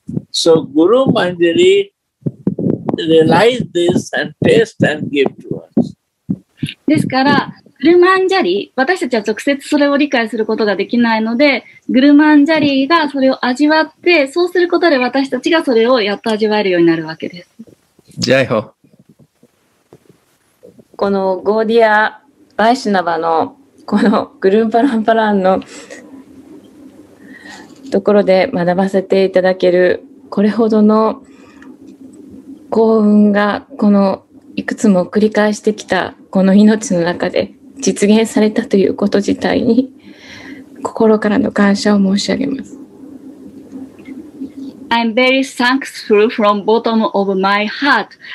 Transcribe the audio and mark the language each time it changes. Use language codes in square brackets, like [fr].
[en] So Guru Manjari realized this and taste and give to us. [ja] ですから、グルマンジャリ、私たちは直接それを理解することができないので、グルマンジャリがそれを味わって、そうすることで私たちがそれをやっと味わえるようになるわけです。ジャイホ。このゴーディア・バイシュナバのこのグルンパランパランのところで学ばせていただける、これほどの幸運がこのいくつも繰り返してきたこの命の中で実現されたということ自体に心からの感謝を申し上げます。 [en] I'm very thankful from bottom of my heart.